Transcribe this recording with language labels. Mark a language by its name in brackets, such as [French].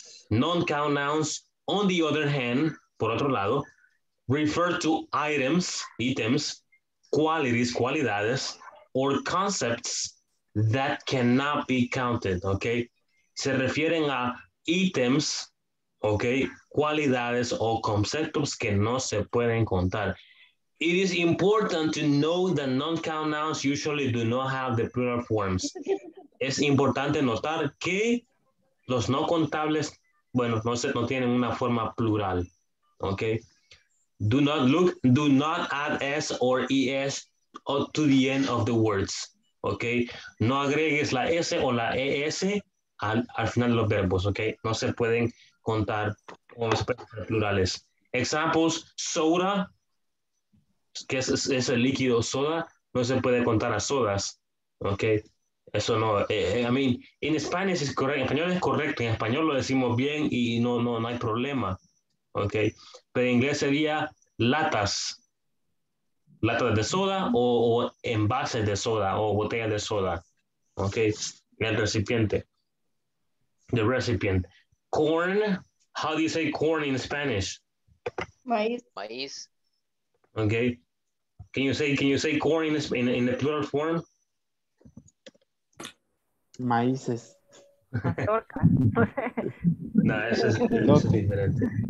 [English] Non-count nouns, on the other hand, [Spanish] por otro lado, [English] refer to items, qualities, cualidades, or concepts that cannot be counted, okay? [Spanish] Se refieren a items, okay? Cualidades o conceptos que no se pueden contar. [English] It is important to know that non-count nouns usually do not have the plural forms. [Spanish] Es importante notar que los no contables, bueno, no se, no tienen una forma plural, okay? [English] Do not look, do not add S or ES to the end of the words, okay? [Spanish] No agregues la S o la ES al, al final de los verbos, okay? No se pueden contar con expresiones plurales. Examples, soda, que es el líquido soda, no se puede contar a sodas, okay? Eso no, [English] I mean, in Spanish is correct, [Spanish] en español es correcto, en español lo decimos bien y no, no, no hay problema, okay? Pero en inglés sería latas, latas de soda o envases de soda o botellas de soda, okay? El recipiente, [English] the recipient. Corn, how do you say corn in Spanish? [Spanish] Maíz. Maíz. [English] Okay, can you say corn in the plural form? [Spanish] Maíces. No, eso es diferente.